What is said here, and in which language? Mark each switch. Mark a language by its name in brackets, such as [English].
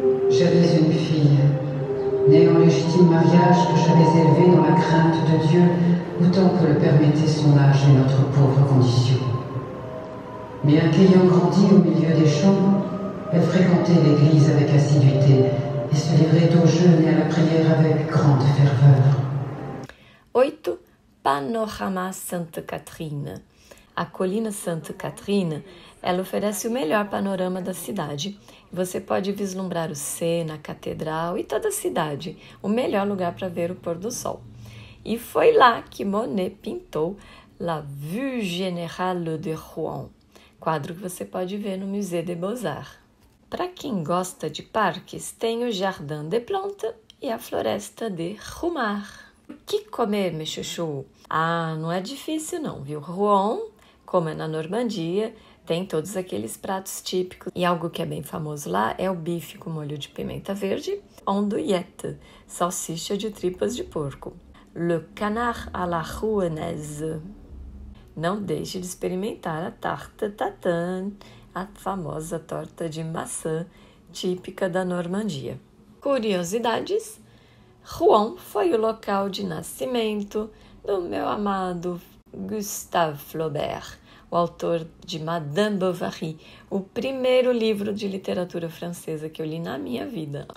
[French] J'avais une fille, née en légitime mariage que j'avais élevée dans la crainte de Dieu, autant que le permettait son âge et notre pauvre condition. Mais en ayant grandi au milieu des champs, elle fréquentait l'église avec assiduité et se livrait au jeûne et à la prière avec grande ferveur. [Portuguese] 8. Panorama Santa Catarina. A colina Santa Catarina, ela oferece o melhor panorama da cidade. Você pode vislumbrar o Sena, a catedral e toda a cidade, o melhor lugar para ver o pôr do sol. E foi lá que Monet pintou La Vue Générale de Rouen, quadro que você pode ver no Musée des Beaux-Arts. Para quem gosta de parques, tem o Jardin des Plantes e a Floresta de Rumar. O que comer, meu chuchu? Ah, não é difícil não, viu? Rouen, como é na Normandia, tem todos aqueles pratos típicos. E algo que é bem famoso lá é o bife com molho de pimenta verde, andouillette, salsicha de tripas de porco. [French] Le canard à la rouennaise. [Portuguese] Não deixe de experimentar a tarte tatin, a famosa torta de maçã típica da Normandia. Curiosidades: Rouen foi o local de nascimento do meu amado Gustave Flaubert, o autor de Madame Bovary, o primeiro livro de literatura francesa que eu li na minha vida.